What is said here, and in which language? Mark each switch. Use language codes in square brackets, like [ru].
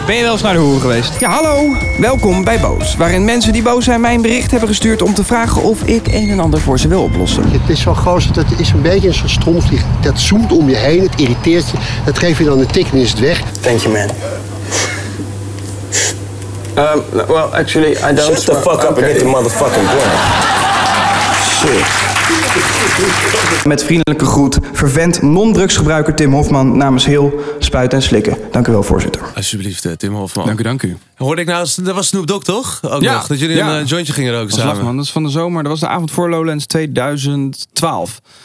[nl] Ben je wel eens naar de hoeren geweest? Ja, hallo! Welkom bij Boos, waarin mensen die boos zijn mij een bericht hebben gestuurd om te vragen of ik een en ander voor ze wil oplossen. Het is zo'n gozer, dat is een beetje een stroomvlieg. Dat zoemt om je heen, het irriteert je, dat geeft je dan een tik en is het weg. [en] Thank you, man. Well, actually, I don't... Shut the fuck up and hit the motherfucking door. Shit. [nl] Met vriendelijke groet, vervent non-drugsgebruiker Tim Hofman namens heel Spuiten en Slikken. Dank u wel, voorzitter. Alsjeblieft, Tim Hofman. Dank u. Hoorde ik nou, dat was Snoop Dogg toch? Ook ja. Nog, dat jullie ja. Een jointje gingen roken samen. Man. Dat is van de zomer, dat was de avond voor Lowlands 2012.